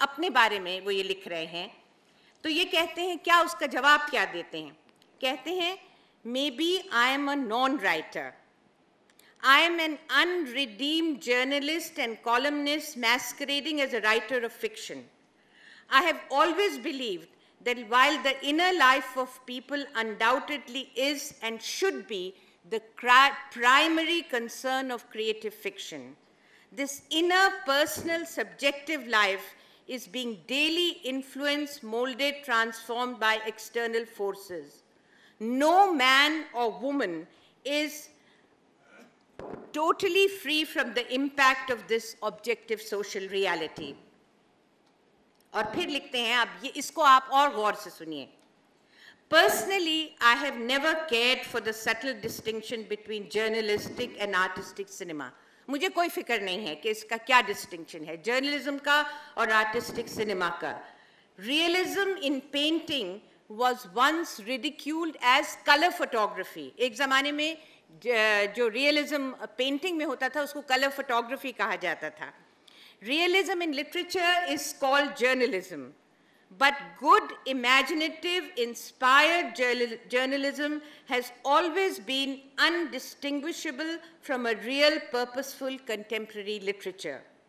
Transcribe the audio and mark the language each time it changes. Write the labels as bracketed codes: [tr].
[ur] اپنے بارے میں وہ یہ لکھ رہے ہیں. تو یہ کہتے ہیں، کیا اس کا جواب کیا دیتے ہیں؟ کہتے ہیں [en] Maybe I am a non writer, I am an unredeemed journalist and columnist masquerading as a writer of fiction. I have always believed that while the inner life of people undoubtedly is and should be the primary concern of creative fiction, this inner personal subjective life is being daily influenced, molded, transformed by external forces. No man or woman is totally free from the impact of this objective social reality. [ur] اور پھر لکھتے ہیں، اب یہ اس کو آپ اور غور سے سنیے. [en] Personally I have never cared for the subtle distinction between journalistic and artistic cinema. [ur] مجھے کوئی فکر نہیں ہے کہ اس کا کیا ڈسٹنکشن ہے جرنلزم کا اور آرٹسٹک سنیما کا. [en] Realism in painting was once ridiculed as colour photography. [ur] ایک زمانے میں جو ریئلزم پینٹنگ میں ہوتا تھا اس کو کلر فوٹوگرافی کہا جاتا تھا. [en] Realism in literature is called journalism, but good imaginative inspired journalism has always been undistinguishable from a real purposeful contemporary literature.